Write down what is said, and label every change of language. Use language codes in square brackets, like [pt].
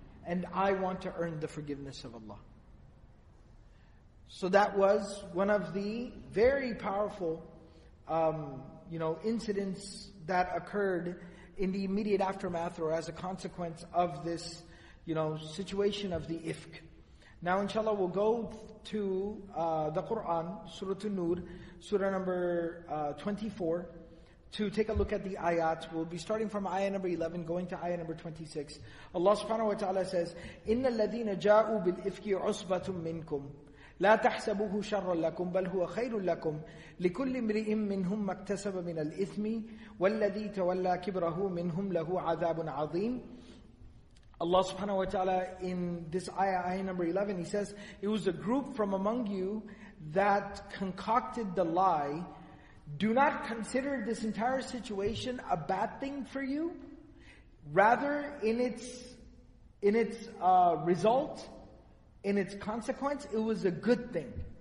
[en] And I want to earn the forgiveness of Allah. So that was one of the very powerful incidents that occurred in the immediate aftermath or as a consequence of this, you know, situation of the ifk. Now inshallah we'll go to the Qur'an, Surah Nur, Surah number 24, to take a look at the ayat. We'll be starting from ayah number 11, going to ayah number 26. Allah subhanahu wa ta'ala says, [ar] إِنَّ الَّذِينَ جَاءُوا بِالْإِفْكِ عُصْبَةٌ مِّنْكُمْ لا تحسبوه شرا لكم بل هو خير لكم لكل امرئ منهم ما اكتسب من الإثم والذي تولى كبره منهم له عذاب عظيم. [en] Allah subhanahu wa ta'ala in this ayah number 11, he says, it was a group from among you that concocted the lie. Do not consider this entire situation a bad thing for you. Rather, in its result, in its consequence, it was a good thing.